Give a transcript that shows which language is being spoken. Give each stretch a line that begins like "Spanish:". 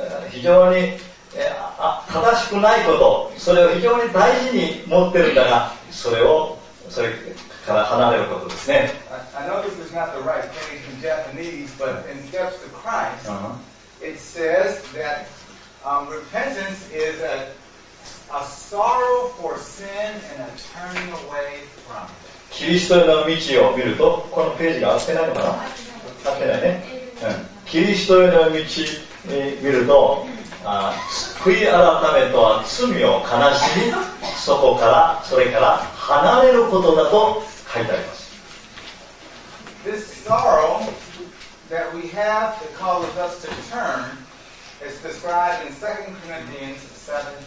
Japanese: 非常に正しくないこと、それを非常に大事に持ってるんだが、それをそれから離れることですね。
English: I know this is not the right page in Japanese, but in Steps to Christ,、it says that、repentance is aA sorrow for sin and a turning away from it.
Japanese: キリストへの道を見ると、このページが合ってないのかな？合ってないね。キリストへの道に見ると、悔い改めとは罪を悲しみ、そこから、それから離れることだと書いてあります。
English: This sorrow that we have that causes us to turn is described in 2 Corinthians 7:10.